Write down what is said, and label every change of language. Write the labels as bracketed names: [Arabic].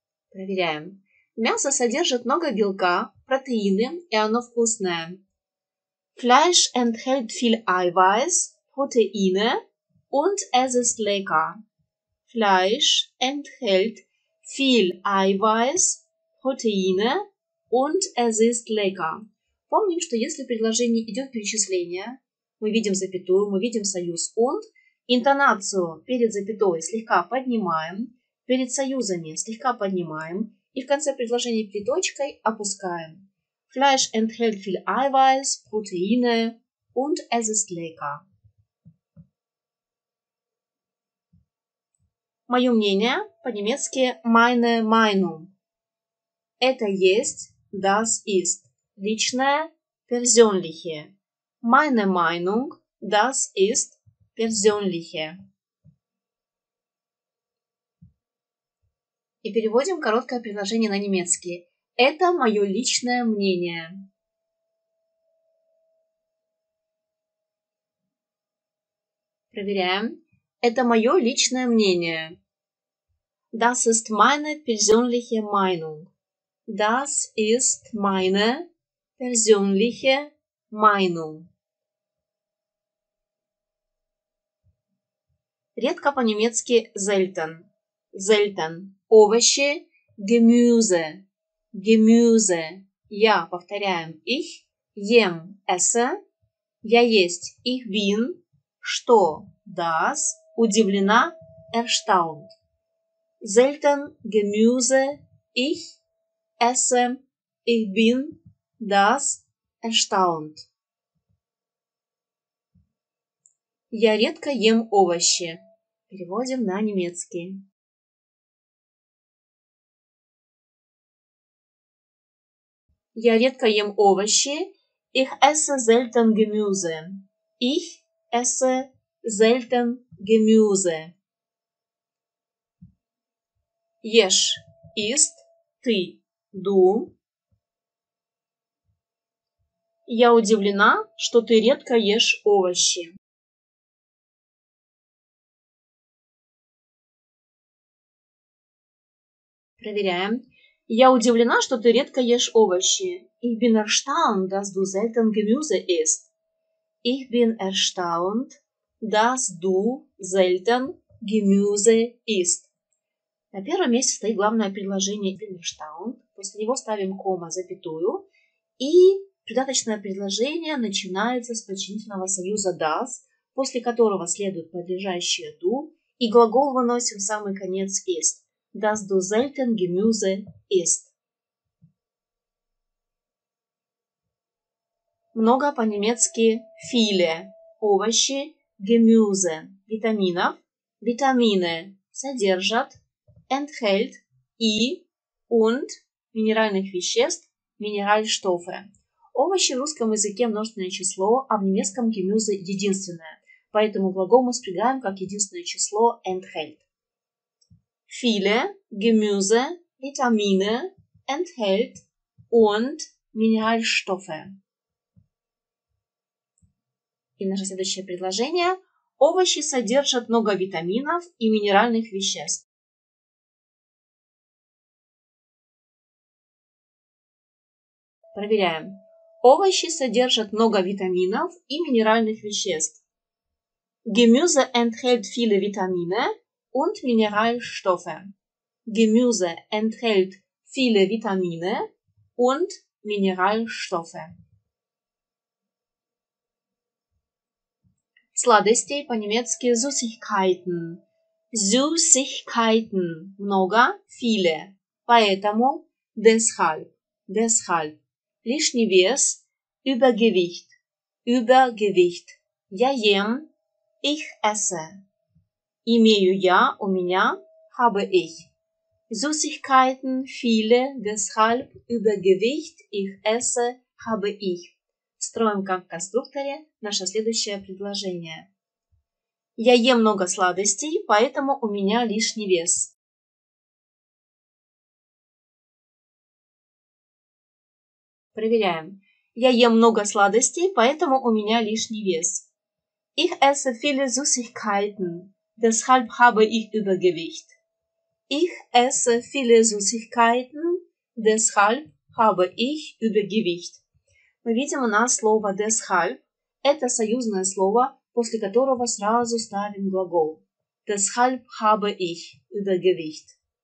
[Russian] Проверяем. Мясо содержит много белка, протеины, и оно вкусное. [German] Fleisch enthält viel Eiweiß, Proteine und es ist lecker. Fleisch enthält viel Eiweiß, Proteine und es ist lecker. [Russian] Помним, что если в предложении идет перечисление, мы видим запятую, мы видим союз und, интонацию перед запятой слегка поднимаем, перед союзами слегка поднимаем и в конце предложения перед точкой опускаем. [German] Fleisch enthält viel Eiweiß, Proteine und es ist lecker. [Russian] Мое мнение, по-немецки [German] meine Meinung. [Russian] Это есть, [German] das ist. [Russian] Личное, persönliche. [German] Meine Meinung, das ist, persönliche. [Russian] И переводим короткое предложение на немецкий. Это мое личное мнение. Проверяем. Это мое личное мнение. [German] Das ist meine persönliche Meinung. Das ist meine persönliche Meinung. [Russian] Редко по-немецки selten. [German] Selten. Овощи. Gemüse. Gemüse. [Russian] Я, повторяем, ich, ем, esse. Я есть, [German] ich bin. [Russian] Что? Das. Удивлена. Erstaunt. [German] Selten Gemüse, ich esse, ich bin, das erstaunt. [Russian] Я редко ем овощи. Переводим на немецкий. Я редко ем овощи. [German] Ich esse selten Gemüse. Ich esse selten Gemüse. [Russian] ешь, ist, ты, du. Я удивлена, что ты редко ешь овощи. Проверяем. Я удивлена, что ты редко ешь овощи. [German] Ich bin erstaunt, dass du selten Gemüse isst. Ich bin erstaunt, dass du selten Gemüse isst. [Russian] На первом месте стоит главное предложение [German] «Ich bin erstaunt». [Russian] После него ставим кома, запятую. И придаточное предложение начинается с подчинительного союза «das», после которого следует подлежащее «du», и глагол выносим в самый конец «ist». [German] Das du selten Gemüse isst. [Russian] Много по-немецки «viele» – овощи, «Gemüse» – витаминов. Витамины содержат «enthält» и «und» – минеральных веществ, минеральштоффе. Овощи в русском языке множественное число, а в немецком «Gemüse» – единственное. Поэтому глагол мы спрягаем как единственное число «enthält». [German] Viele Gemüse, Vitamine enthält und Mineralstoffe. [Russian] И наше следующее предложение. Овощи содержат много витаминов и минеральных веществ. Проверяем. Овощи содержат много витаминов и минеральных веществ. [German] Gemüse enthält viele Vitamine. Und Mineralstoffe. Gemüse enthält viele Vitamine und Mineralstoffe. [Russian] Сладостей по-немецки Süßigkeiten. Süßigkeiten. Много, viele. Поэтому, deshalb. [German] Deshalb. [Russian] Лишний вес. [German] Übergewicht. Übergewicht. [Russian] Я ем. [German] Ich esse. [Russian] Имею я, у меня, [German] habe ich. Süßigkeiten viele, deshalb Übergewicht, ich esse, habe ich. [Russian] Строим как в конструкторе наше следующее предложение. Я ем много сладостей, поэтому у меня лишний вес. Проверяем. Я ем много сладостей, поэтому у меня лишний вес. [German] Ich esse viele Süßigkeiten. Deshalb habe ich Übergewicht. Ich esse viele Süßigkeiten, deshalb habe ich Übergewicht. [Russian] Мы видим у нас слово deshalb. Это союзное слово, после которого сразу ставим глагол. [German] Deshalb habe ich Übergewicht.